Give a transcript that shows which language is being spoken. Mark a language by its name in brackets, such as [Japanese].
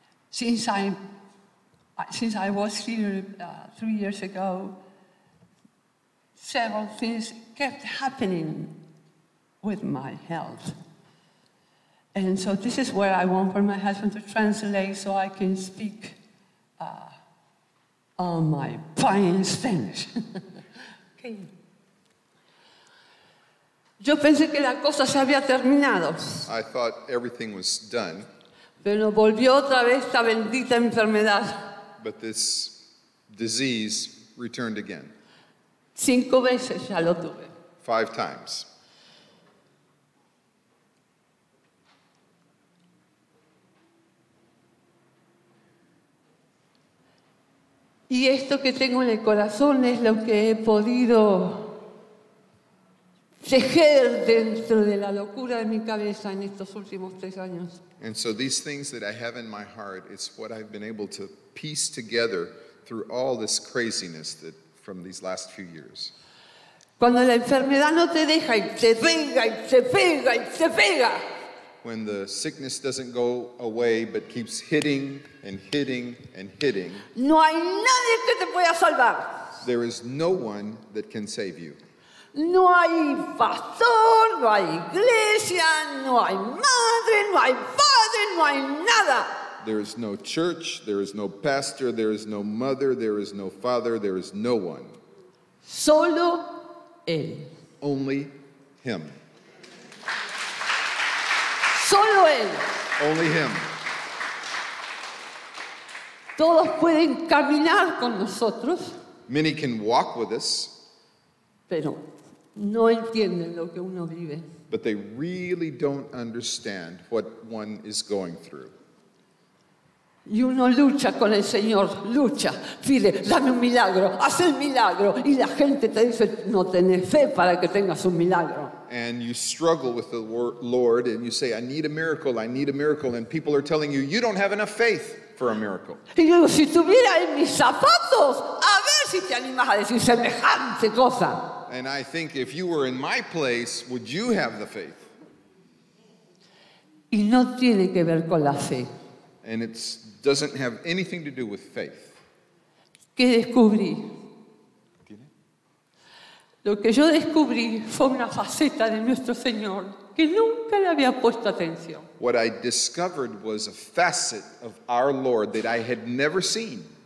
[English] Since I was here 3 years ago, several things kept happening with my health. And so this is where I want for my husband to translate so I can speak on my fine Spanish. Okay. [Spanish] Yo pensé que la cosa se había terminado. [English] I thought everything was done. [Spanish] Pero volvió otra vez esta bendita enfermedad. [English] But this disease returned again. [Spanish] 5 veces ya lo tuve. [English] 5 times. [Spanish] Y esto que tengo en el corazón es lo que he podido tejer dentro de la locura de mi cabeza en estos últimos 3 años. [English] And so these things that I have in my heart, it's what I've been able to piece together through all this craziness that from these last few years. [Spanish] Cuando la enfermedad no te deja y te pega y te pega y te pega. [English] When the sickness doesn't go away but keeps hitting and hitting and hitting. [Spanish] No hay nadie que te pueda salvar. [English] There is no one that can save you. [Spanish] No hay pastor, no hay iglesia, no hay madre, no hay padre, no hay nada. [English] There is no church, there is no pastor, there is no mother, there is no father, there is no one. [Spanish] Solo él. [English] Only him. [Spanish] Solo él. [English] Only him. [Spanish] Todos pueden caminar con nosotros. [English] Many can walk with us. [Spanish] Pero no entienden lo que uno vive. [English] But they really don't understand what one is going through. [Spanish] Y uno lucha con el Señor, lucha, pide, dame un milagro, haz el milagro. Y la gente te dice, no tenés fe para que tengas un milagro. [English] And you struggle with the Lord and you say, I need a miracle, I need a miracle. And people are telling you, you don't have enough faith for a miracle. [Spanish] Y yo digo, si tuviera en mis zapatos, a ver si te animas a decir semejante cosa. [English] And I think if you were in my place, would you have the faith? [Spanish] Y no tiene que ver con la fe. [English] And it doesn't have anything to do with faith. [Spanish] ¿Qué descubrí? ¿Tiene? Lo que yo descubrí fue una faceta de nuestro Señor que nunca le había puesto atención. [English] What I discovered was a facet of our Lord that I had never seen.